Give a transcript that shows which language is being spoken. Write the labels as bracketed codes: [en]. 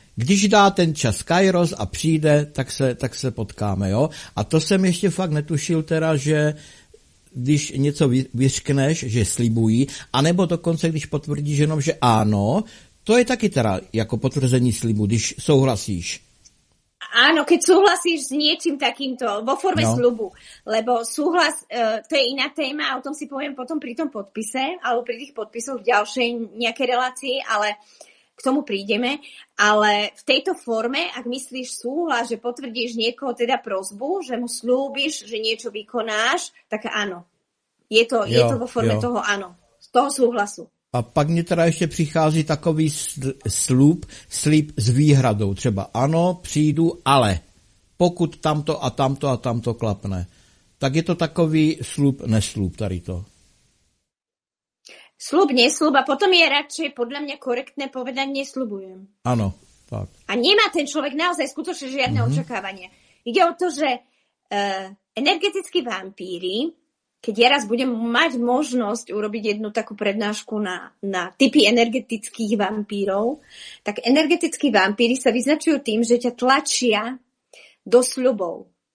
[cs] když dá ten čas Kairos a přijde, tak se potkáme, jo. A to jsem ještě fakt netušil teda, že když něco vyřkneš, že slibují, anebo dokonce, když potvrdíš jenom, že ano, to je taky teda jako potvrzení slibu, když souhlasíš. [sk] Áno, keď súhlasíš s niečím takýmto, vo forme sľubu. Lebo súhlas, to je iná téma, o tom si poviem potom pri tom podpise alebo pri tých podpisoch v ďalšej nejakej relácii, ale k tomu prídeme. Ale v tejto forme, ak myslíš súhlas, že potvrdíš niekoho teda prosbu, že mu sľúbiš, že niečo vykonáš, tak áno. Je to vo forme toho áno, z toho súhlasu. [cs] A pak mě teda ještě přichází takový slib s výhradou. Třeba ano, přijdu, ale pokud tamto a tamto a tamto klapne, tak je to takový slub, neslub tady to. [sk] Slub, neslub a potom je radši podle mě korektné povedat, neslubujem. [cs] Ano, tak. A nemá ten člověk naozaj skutečně žádné očekávání. Jde o to, že energetický vampíry, [sk] keď ja raz budem mať možnosť urobiť jednu takú prednášku na typy energetických vampírov, tak energetickí vampíry sa vyznačujú tým, že ťa tlačia do sľubov.